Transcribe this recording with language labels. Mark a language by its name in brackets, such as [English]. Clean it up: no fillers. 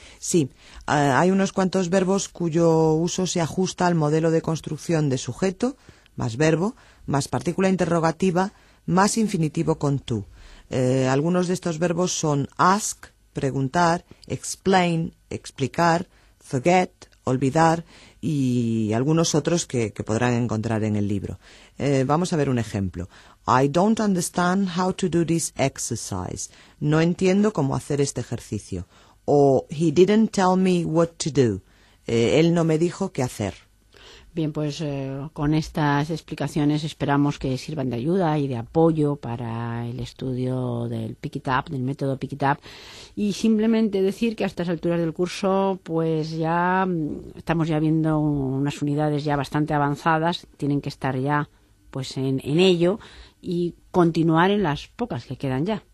[Spanish] Sí, hay unos cuantos verbos cuyo uso se ajusta al modelo de construcción de sujeto, más verbo, más partícula interrogativa, más infinitivo con to. Algunos de estos verbos son ask, preguntar, explain, explicar, forget, olvidar y algunos otros que podrán encontrar en el libro. Vamos a ver un ejemplo. [English] I don't understand how to do this exercise. [Spanish] No entiendo cómo hacer este ejercicio. O [English] he didn't tell me what to do. [Spanish] Él no me dijo qué hacer. Bien, pues con estas explicaciones esperamos que sirvan de ayuda y de apoyo para el estudio del Pick It Up, del método Pick It Up. Y simplemente decir que a estas alturas del curso pues ya estamos ya viendo unas unidades ya bastante avanzadas, tienen que estar ya pues en ello y continuar en las pocas que quedan ya.